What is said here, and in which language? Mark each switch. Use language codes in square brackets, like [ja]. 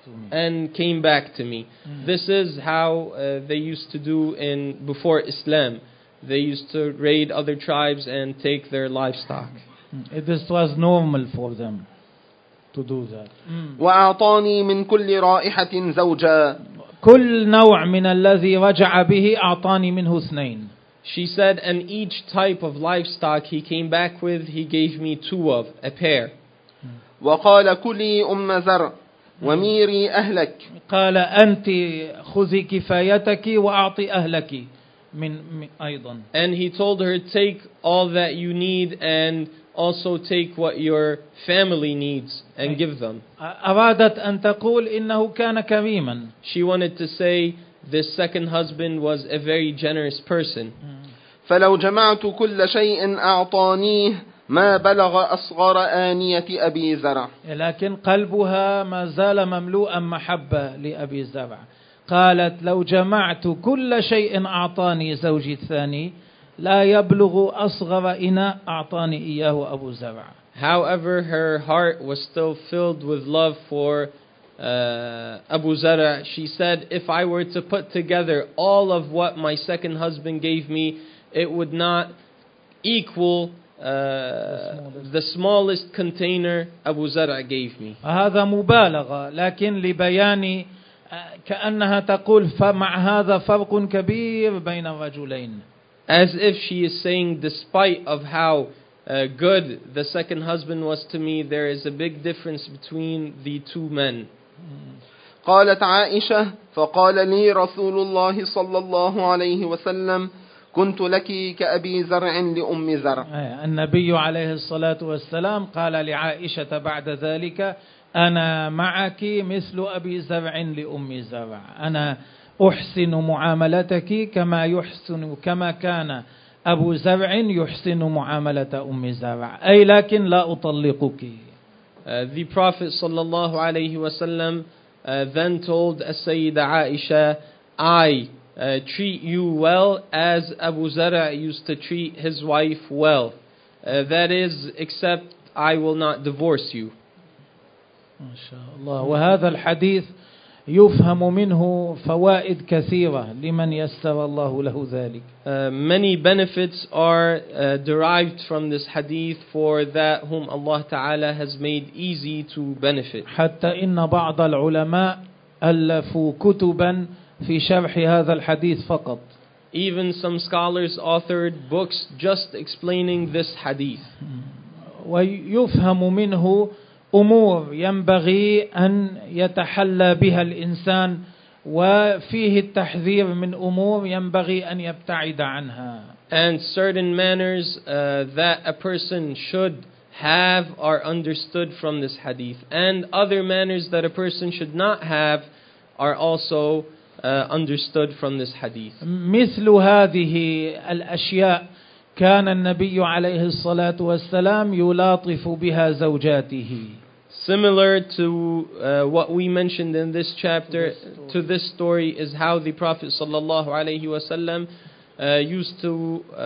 [en] And came back to me. This is how they used to do in before Islam. They used to raid other tribes and take their livestock. This was normal for them to do that. [ar] وأعطاني من كل رائحة زوجا. كل نوع من الذي رجع به أعطاني منه اثنين. [en] She said, and each type of livestock he came back with, he gave me two of, a pair. [ar] وقال كلي أم زرع وميري أهلك. قال أنت خذي كفايتك وأعطي أهلك من أيضا. [en] And he told her, take all that you need and also take what your family needs and give them. [ar] أرادت أن تقول إنه كان كريما. [en] She wanted to say this second husband was a very generous person. [ar] فلو جمعت كل شيء أعطانيه ما بلغ أصغر آنية أبي زرع. لكن قلبها ما زال مملوءا محبة لأبي زرع. قالت لو جمعت كل شيء أعطاني زوجي الثاني لا يبلغ أصغر إناء أعطاني إياه أبو زرع. [en] However, her heart was still filled with love for Abu Zara. She said, if I were to put together all of what my second husband gave me, it would not equal the smallest container Abu Zara gave me. [ar] هذا مبالغة لكن لبياني كأنها تقول فمع هذا فرق كبير بين الرجلين. [en] As if she is saying, despite of how good the second husband was to me, there is a big difference between the two men. [ar] قالت عائشة فقال لي رسول الله صلى الله عليه وسلم كنت لك كأبي زرع لأم زرع. النبي عليه الصلاة والسلام قال لعائشة بعد ذلك أنا معك مثل أبي زرع لأم زرع. أنا أحسن معاملتك كما يحسن كما كان أبو زرع يحسن معاملة أم زرع. أي لكن لا أطلقك. [en] The Prophet [ar] صلى الله عليه وسلم [en] then told السيدة عائشة, I treat you well as Abu Zara used to treat his wife well. That is, except I will not divorce you. [ar] ما شاء الله. وهذا الحديث يفهم منه فوائد كثيرة لمن يسر الله له ذلك. [en] Many benefits are derived from this hadith for that whom Allah Ta'ala has made easy to benefit. [ar] حتى إن بعض العلماء ألفوا كتبا في شرح هذا الحديث فقط. [en] Even some scholars authored books just explaining this hadith. [ar] ويفهم منه أمور ينبغي أن يتحلى بها الإنسان وفيه التحذير من أمور ينبغي أن يبتعد عنها. [en] And certain manners that a person should have are understood from this hadith. And other manners that a person should not have are also understood from this hadith. [ar] مثل هذه الأشياء كان النبي عليه الصلاة والسلام يلاطف بها زوجاته. [en] Similar to what we mentioned in this chapter, to this story, is how the Prophet sallallahu alaihi wasallam used to.